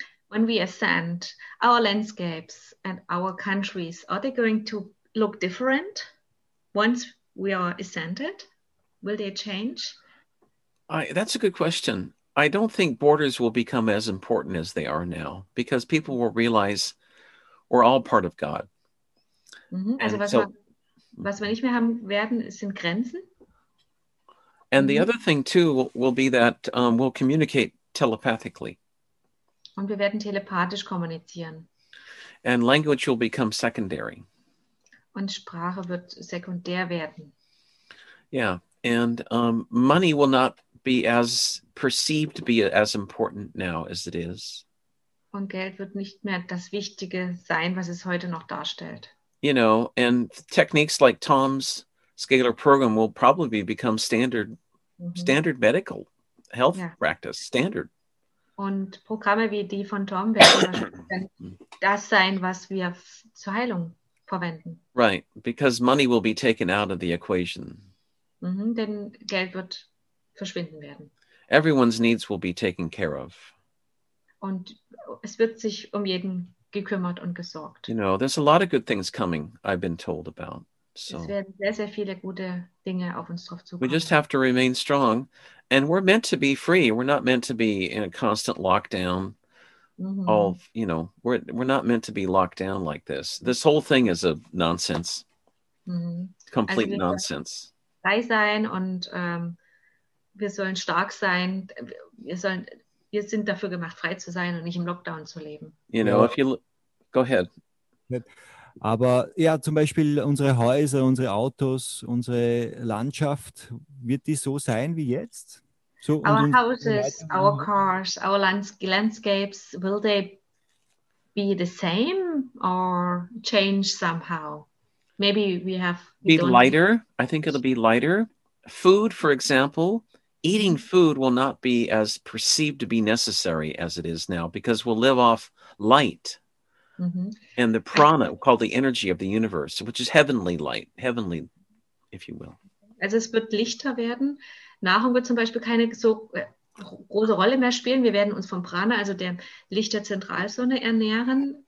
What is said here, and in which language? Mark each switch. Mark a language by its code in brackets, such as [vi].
[en] When we ascend, our landscapes and our countries, are they going to look different once we are ascended? Will they change? That's a good question. I don't think borders will become as important as they are now, because people will realize we're all part of God. Mm-hmm. [de] Also was wir nicht mehr haben werden, sind Grenzen. [en] And the other thing too will be that we'll communicate telepathically. [de] Und wir werden telepathisch kommunizieren. [en] And language will become secondary. [de] Und Sprache wird sekundär werden. [en] Yeah, and money will not be as perceived to be as important now as it is. [de] Und Geld wird nicht mehr das Wichtige sein, was es heute noch darstellt. [en] You know, and techniques like Tom's scalar program will probably become standard, standard medical health practice, standard. [de] Und Programme wie die von Tom werden das sein, was wir zur Heilung verwenden. [en] Right, because money will be taken out of the equation. [de] Mm-hmm, denn Geld wird verschwinden werden. [en] Everyone's needs will be taken care of. [de] Und es wird sich um jeden gekümmert und gesorgt. [en] You know, there's a lot of good things coming, I've been told about. So. [de] Es werden sehr, sehr viele gute Dinge auf uns drauf zukommen. [en] We just have to remain strong. And we're meant to be free. We're not meant to be in a constant lockdown. Mm-hmm. All, you know, we're not meant to be locked down like this. This whole thing is a nonsense. Mm-hmm. Complete nonsense. [de] Frei sein und wir sollen stark sein. Wir sind dafür gemacht, frei zu sein und nicht im Lockdown zu leben. [en] You know, if you go ahead. [de] Aber ja, zum Beispiel unsere Häuser, unsere Autos, unsere Landschaft, wird die so sein wie jetzt? [en] So, our houses, our cars, our landscapes, will they be the same or change somehow? Maybe we have... Be lighter. I think it'll be lighter. Food, for example. Eating food will not be as perceived to be necessary as it is now, because we'll live off light and the prana, called the energy of the universe, which is heavenly light. Heavenly, if you will. [de] Also es wird lichter werden. Nahrung wird zum Beispiel keine so große Rolle mehr spielen. Wir werden uns vom Prana, also der Licht der Zentralsonne, ernähren.